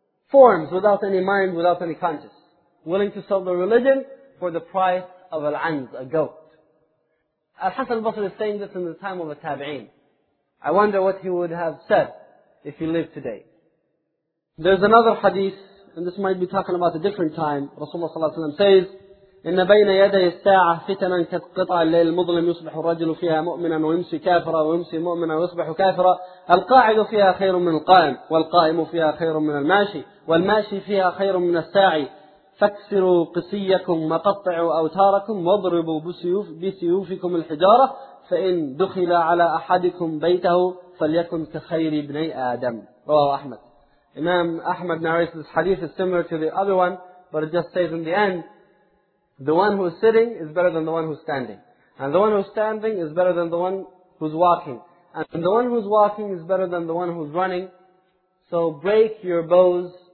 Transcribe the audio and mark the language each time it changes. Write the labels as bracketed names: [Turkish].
[English] Forms, without any mind, without any conscience. Willing to sell their religion for the price of al-anz, a goat. Al-Hasan al-Basri is saying this in the time of the Tabi'een. I wonder what he would have said if he lived today. There's another hadith, and this might be talking about a different time. Rasulullah sallallahu alaihi wasallam says, [Arabic] إِنَّ بَيْنَ يَدَيِ السَّاعَةِ فِتَنًا كَقِطَعَ اللَّيْلِ الْمُظْلِمِ يُصْبِحُ الرَّجِلُ فِيهَا مُؤْمِنًا وَيُمْسِي كَافِرًا وَيُمْسِي مُؤْمِنًا وَيُصْبِحُ كَافِرًا الْقَاعِدُ فِيهَا خَيْرٌ مِنَ الْقَائِمِ وَالْقَائِمُ فِيهَا خَيْرٌ مِنَ الْمَاشِي وَالْمَاشِي فِيهَا خَيْرٌ مِنَ السَّاعِي فَاكْسِرُوا قِسِيَّكُمْ وَقَطِّعُوا أَوْتَارَكُمْ وَاضْرِبُوا بِسِيُوفِكُمْ الْحِجَارَةَ فَإِنْ دُخِلَ عَلَى أَحَدِكُمْ بَيْتَهُ فَلْيَكُنْ كَخَيْرِ بْنَيْ آدَمْ. رواه أحمد. [English] Imam Ahmad narrates this hadith is similar to the other one, but it just says in the end, the one who is sitting is better than the one who is standing. And the one who is standing is better than the one who is walking. And the one who is walking is better than the one who is running. So break your bows